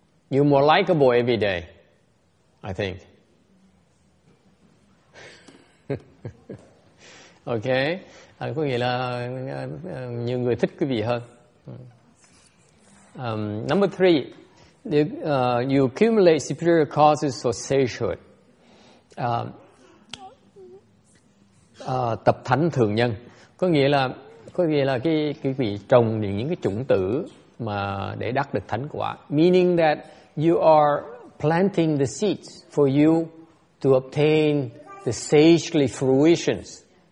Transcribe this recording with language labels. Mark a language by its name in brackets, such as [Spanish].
[English] You're more likable every day, I think. [Vietnamese] Okay, có nghĩa là nhiều người thích quý vị hơn. [English] Number three, you accumulate superior causes for sagehood. [Vietnamese] Tập thánh thường nhân có nghĩa là cái vị trồng những cái chủng tử mà để đắc được thánh quả, [English] meaning that you are planting the seeds for you to obtain the sagely fruitions.